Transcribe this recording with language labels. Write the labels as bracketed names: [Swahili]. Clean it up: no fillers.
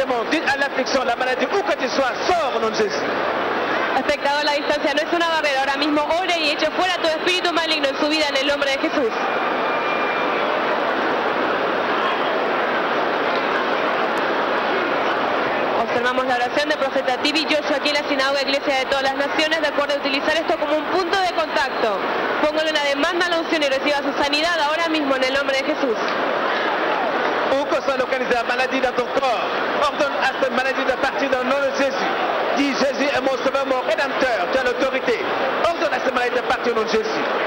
[French] Dites à l'affliction, la maladie, où que tu sois, sors au nom de Jésus. [Spanish] Espectador, la distancia no es una barrera. Ahora mismo ore y eche fuera todo espíritu maligno en su vida en el nombre de Jesús. Observamos la oración de profeta TV Joshua aquí en la sinagoga iglesia de todas las naciones, de acuerdo a utilizar esto como un punto de contacto. Póngale una demanda a la unción y reciba su sanidad ahora mismo en el nombre de Jesús. [French] Où que soit localisée la maladie dans ton corps, ordonne à cette maladie de partir dans le nom de Jésus. Dis, Jésus est mon sauveur, mon rédempteur, tu as l'autorité. Ordonne à cette maladie de partir au nom de Jésus.